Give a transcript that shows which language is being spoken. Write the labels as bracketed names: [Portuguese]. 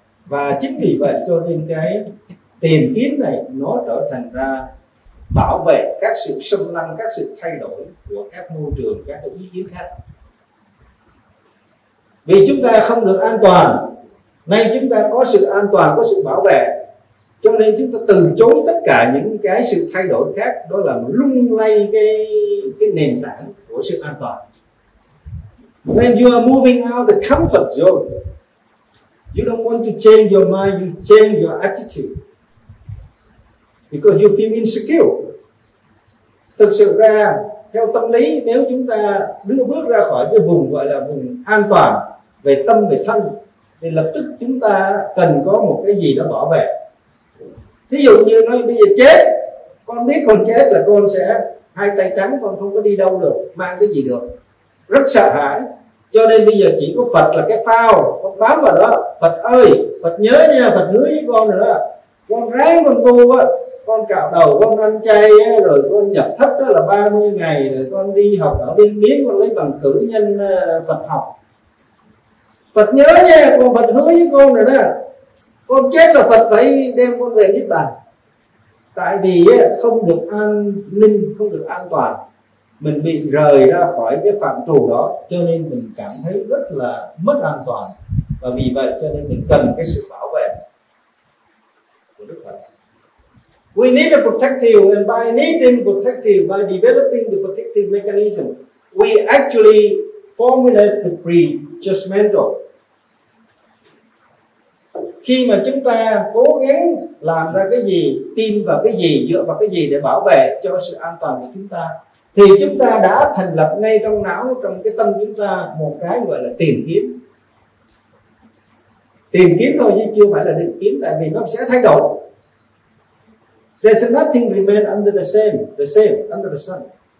[Vietnamese] Và chính vì vậy cho nên cái tìm kiếm này nó trở thành ra bảo vệ các sự xâm lăng, các sự thay đổi của các môi trường, các ý kiến khác. Vì chúng ta không được an toàn, nay chúng ta có sự an toàn, có sự bảo vệ, cho nên chúng ta từ chối tất cả những cái sự thay đổi khác. Đó là lung lay cái nền tảng của sự an toàn. [English] When you are moving out the comfort zone, you don't want to change your mind, you change your attitude, because you feel insecure. [Vietnamese] Thực sự ra, theo tâm lý, nếu chúng ta đưa bước ra khỏi cái vùng gọi là vùng an toàn về tâm, về thân, thì lập tức chúng ta cần có một cái gì đó bảo vệ. Thí dụ như nói bây giờ chết, con biết con chết là con sẽ hai tay trắng, con không có đi đâu được, mang cái gì được, rất sợ hãi. Cho nên bây giờ chỉ có Phật là cái phao, con bám vào đó. Phật ơi, Phật nhớ nha, Phật hứa với con rồi đó, con ráng con tu á, con cạo đầu, con ăn chay á, rồi con nhập thất đó là 30 ngày, rồi con đi học ở bên miếng, con lấy bằng cử nhân Phật học. Phật nhớ nha, con Phật hứa với con rồi đó, con chết là Phật phải đem con về Niết Bàn. Tại vì không được an ninh, không được an toàn, mình bị rời ra khỏi cái phạm trù đó, cho nên mình cảm thấy rất là mất an toàn. Và vì vậy cho nên mình cần cái sự bảo vệ của Đức Phật. [English] We need a protective, and by needing protective, by developing the protective mechanism, we actually formulate the prejudgmental. [Vietnamese] Khi mà chúng ta cố gắng làm ra cái gì, tin vào cái gì, dựa vào cái gì để bảo vệ cho sự an toàn của chúng ta, thì chúng ta đã thành lập ngay trong não, trong cái tâm chúng ta một cái gọi là tìm kiếm. Tìm kiếm thôi chứ chưa phải là định kiến, tại vì nó sẽ thay đổi. [English] There's nothing remain under the same under the sun.